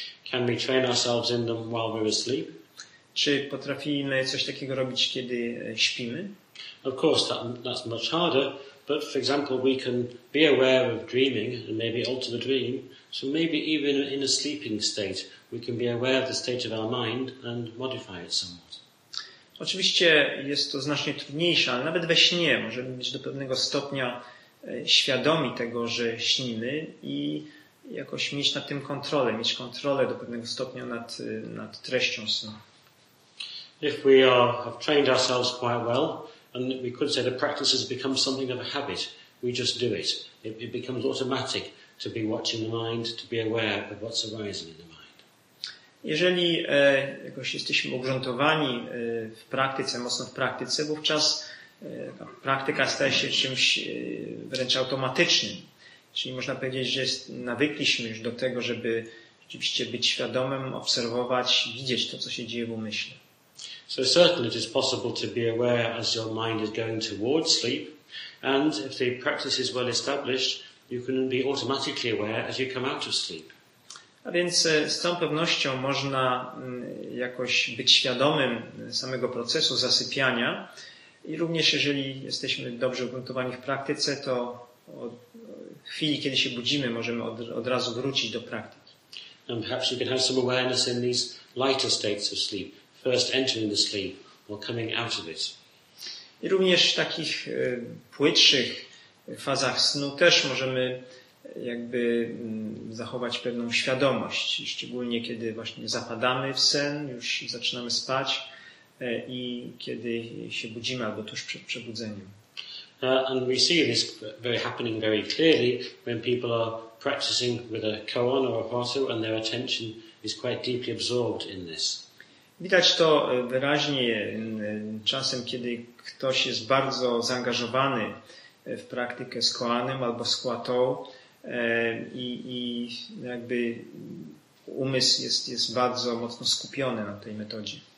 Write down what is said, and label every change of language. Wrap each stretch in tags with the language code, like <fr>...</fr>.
<en>Can we train ourselves in them while we're asleep?</en> <pl>Czy potrafimy coś takiego robić, kiedy śpimy?</pl> <en>Of course, that's much harder, but for example, we can be aware of dreaming and maybe alter the dream, so maybe even in a sleeping state, we can be aware of the state of our mind and modify it somewhat.</en> <pl>Oczywiście jest to znacznie trudniejsze, ale nawet we śnie możemy być do pewnego stopnia świadomi tego, że śnimy i jakoś mieć nad tym kontrolę, mieć kontrolę do pewnego stopnia nad treścią snu.</pl> <en>If we have trained ourselves quite well, and we could say the practice has become something of a habit, we just do it. It becomes automatic to be watching the mind, to be aware of what's arising in the mind.</en> <pl>Jeżeli jakoś jesteśmy ugruntowani w praktyce, mocno w praktyce, wówczas praktyka staje się czymś wręcz automatycznym. Czyli można powiedzieć, że nawykliśmy już do tego, żeby rzeczywiście być świadomym, obserwować, widzieć to, co się dzieje w umyśle.</pl> <en>So certainly it is possible to be aware as your mind is going towards sleep, and if the practice is well established, you can be automatically aware as you come out of sleep.</en> <pl>A więc z całą pewnością można jakoś być świadomym samego procesu zasypiania i również jeżeli jesteśmy dobrze ugruntowani w praktyce, to od chwili, kiedy się budzimy, możemy od razu wrócić do praktyki.</pl> <en>And perhaps you can have some awareness in these lighter states of sleep, first entering the sleep or coming out of it.</en> <pl>I również w takich płytszych fazach snu też możemy jakby zachować pewną świadomość, szczególnie kiedy właśnie zapadamy w sen, już zaczynamy spać i kiedy się budzimy albo tuż przed przebudzeniem.</pl> <en>And we see this very happening very clearly when people are practicing with a koan or a hotu and their attention is quite deeply absorbed in this.</en> <pl>Widać to wyraźnie czasem, kiedy ktoś jest bardzo zaangażowany w praktykę z koanem albo z kuatą, i jakby umysł jest bardzo mocno skupiony na tej metodzie.</pl>